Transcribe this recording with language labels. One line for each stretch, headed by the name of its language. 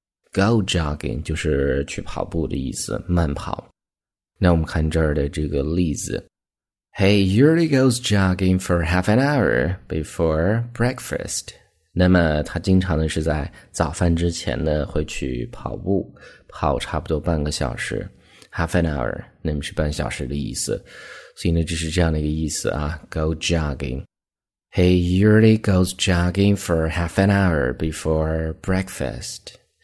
Chinese: go jogging 就是去跑步的意思，慢跑。那我们看这儿的这个例子。
English: Hey, Yuri goes jogging for half an hour before breakfast.
Chinese: 那么他经常呢是在早饭之前呢会去跑步，跑差不多半个小时。 Half an hour， 那么是半小时的意思，所以呢，就是这样的一个意思啊。
English: Go jogging， Hey, Yuri goes jogging for half an hour before breakfast。